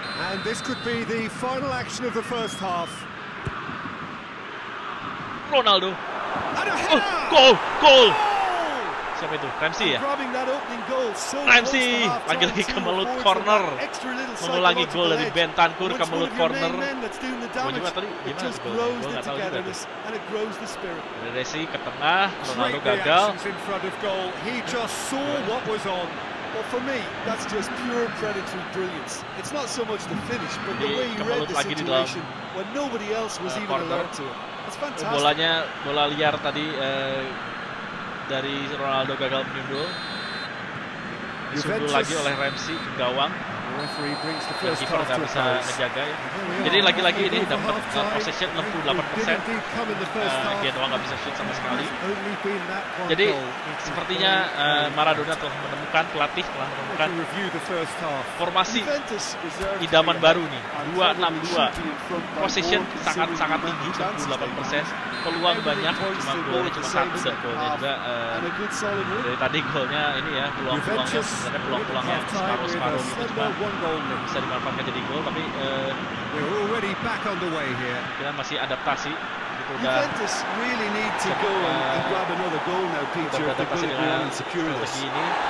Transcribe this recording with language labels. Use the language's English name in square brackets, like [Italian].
[English] And this could be the final action of the first half. Ronaldo. And a header! Goal! Goal! Goal! [Indonesian] Siapa itu? Ramsey ya? [English] Grabbing that opening goal. [Indonesian] Ramsey! Lagi-lagi kemelut corner. Mengulangi gol dari Bentancur kemelut corner. Gue juga tadi gimana sih gol? Gue gak tau juga tuh. Dari Ramsey ke tengah. Ronaldo gagal. [English] He just saw what was on. Well, for me, that's just pure predatory brilliance. It's not so much the finish, but the way he read the situation when nobody else was even alert to it. It's fantastic. [Indonesian] Bolanya, bola liar tadi dari Ronaldo gagal menyundul. Disundul lagi oleh Ramsey ke gawang. Dan kiper nggak bisa menjaga ya. Jadi lagi-lagi ini dapat possession 68%. Genoa nggak bisa shoot sama sekali. Jadi sepertinya Maradona telah menemukan pelatih, telah menemukan formasi idaman baru nih. 2-6-2. Possession sangat-sangat tinggi, 68%. Peluang banyak, cuma golnya cuma satu. Dan golnya juga dari tadi golnya ini ya, peluang-peluang yang sebenarnya peluang-peluang yang separuh-separuh gitu. Cuma bisa dimanfaatkan jadi gol, tapi kita masih adaptasi. [English] Juventus really need to go and grab another goal now, Peter. [Indonesian] Beradaptasi dengan strategi ini.